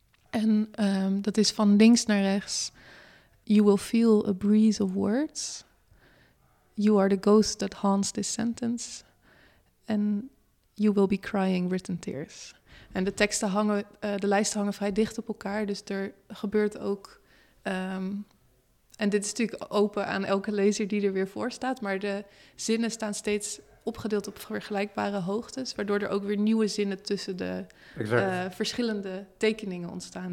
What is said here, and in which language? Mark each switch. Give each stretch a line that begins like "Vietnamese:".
Dutch: En dat is van links naar rechts.
English: You will feel a breeze of words. You are the ghost that haunts this sentence. And you will be crying written tears.
Dutch: En de teksten hangen, de lijsten hangen vrij dicht op elkaar. Dus er gebeurt ook. En dit is natuurlijk open aan elke lezer die er weer voor staat. Maar de zinnen staan steeds opgedeeld op vergelijkbare hoogtes. Waardoor er ook weer nieuwe zinnen tussen de verschillende tekeningen ontstaan.